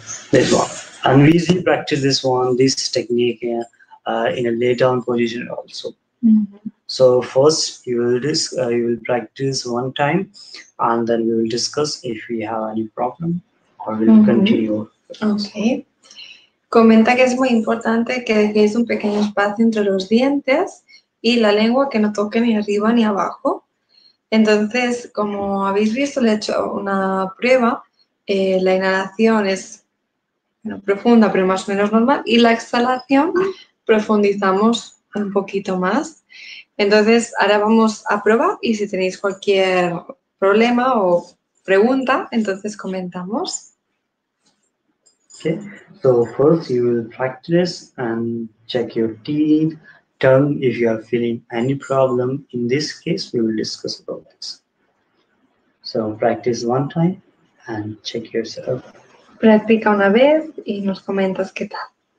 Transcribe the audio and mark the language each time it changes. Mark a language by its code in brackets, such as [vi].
[en] This one. And we easily practice this one, this technique here, in a lay down position also. So first you will practice one time, and then we will discuss if we have any problem or we'll continue. Okay. [es] Comenta que es muy importante que dejéis un pequeño espacio entre los dientes y la lengua, que no toque ni arriba ni abajo. Entonces, como habéis visto, le he hecho una prueba. La inhalación es, bueno, profunda, pero más o menos normal. Y la exhalación profundizamos un poquito más. Entonces, ahora vamos a probar y si tenéis cualquier problema o pregunta, entonces comentamos. [en] Okay, so first you will practice and check your teeth, tongue, if you are feeling any problem. In this case, we will discuss about this. So practice one time and check yourself. [es] Practica una vez y nos comentas qué tal.